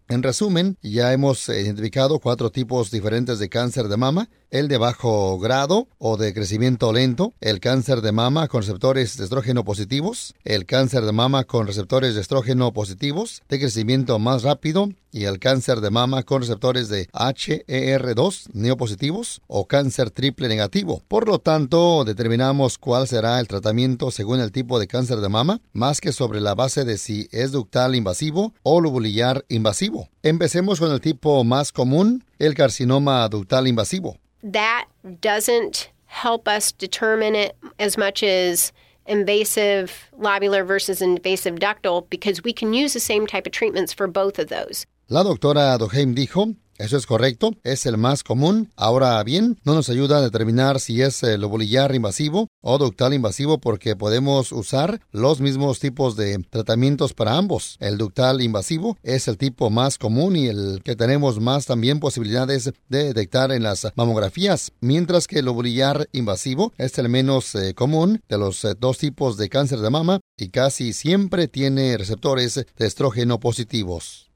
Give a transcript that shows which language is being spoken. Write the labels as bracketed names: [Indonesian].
[Spanish] En resumen, ya hemos identificado cuatro tipos diferentes de cáncer de mama: el de bajo grado o de crecimiento lento, el cáncer de mama con receptores de estrógeno positivos, el cáncer de mama con receptores de estrógeno positivos de crecimiento más rápido y el cáncer de mama con receptores de HER2 neopositivos o cáncer triple negativo. Por lo tanto, determinamos cuál será el tratamiento según el tipo de cáncer de mama, más que sobre la base de si es ductal invasivo o lobulillar invasivo. Empecemos con el tipo más común, el carcinoma ductal invasivo. [English] That doesn't help us determine it as much as invasive lobular versus invasive ductal, because we can use the same type of treatments for both of those. [Spanish] La doctora Doheim dijo, eso es correcto, es el más común. Ahora bien, no nos ayuda a determinar si es lobulillar invasivo o ductal invasivo porque podemos usar los mismos tipos de tratamientos para ambos. El ductal invasivo es el tipo más común y el que tenemos más también posibilidades de detectar en las mamografías, mientras que el lobulillar invasivo es el menos común de los dos tipos de cáncer de mama y casi siempre tiene receptores de estrógeno positivos.